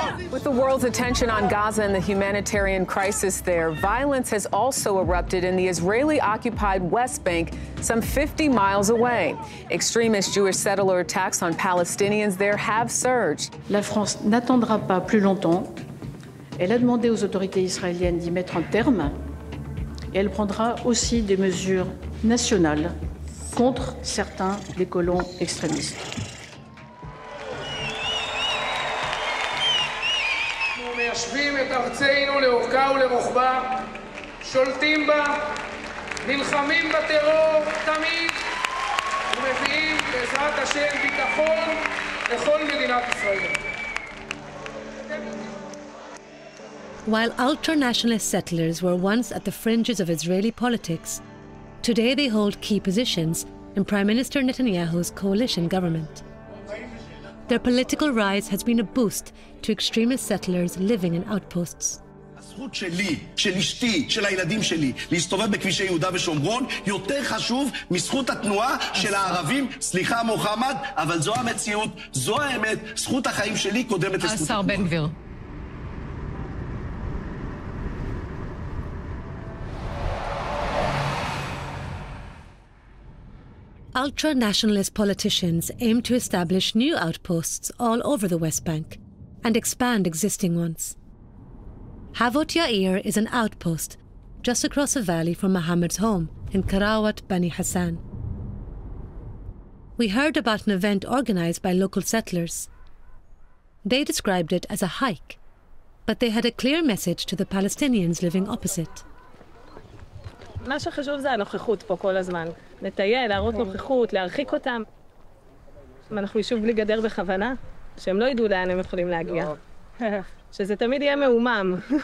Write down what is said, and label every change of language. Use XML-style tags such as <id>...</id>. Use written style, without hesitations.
<en>With the world's attention on Gaza and the humanitarian crisis there, violence has also erupted in the Israeli-occupied West Bank, some 50 miles away. Extremist Jewish settler attacks on Palestinians there have surged.</en> <fr>La France n'attendra pas plus longtemps. Elle a demandé aux autorités israéliennes d'y mettre un terme. Et elle prendra aussi des mesures nationales. Contre certains des colons extrémistes. Nous</fr> <he>מיישבים את ארצנו לאורכה ולרוחבה, שולטים בה, נלחמים בטרור תמיד, ומביאים בעזרת השם ביטחון לכל מדינת ישראל.</he> <en>While ultra-nationalist settlers were once at the fringes of Israeli politics, today they hold key positions in Prime Minister Netanyahu's coalition government. Their political rise has been a boost to extremist settlers living in outposts.</en> <he>הזכות שלי, של אשתי, של הילדים שלי, להסתובב בכבישי יהודה ושומרון, יותר חשוב מזכות התנועה של הערבים. סליחה, מוחמד, אבל זו המציאות, זו האמת. זכות החיים שלי קודמת לזכות השר בן גביר.</he> <en>Ultra-nationalist politicians aim to establish new outposts all over the West Bank and expand existing ones. Havot Yair is an outpost just across a valley from Mohammed's home in Karawat Bani Hassan. We heard about an event organized by local settlers. They described it as a hike, but they had a clear message to the Palestinians living opposite.</en> <he>מה שחשוב זה הנוכחות פה כל הזמן. לטייל, להראות נוכחות, להרחיק אותם. אנחנו יישוב בלי גדר בכוונה, שהם לא ידעו לאן הם יכולים להגיע. שזה תמיד יהיה מאומם.</he>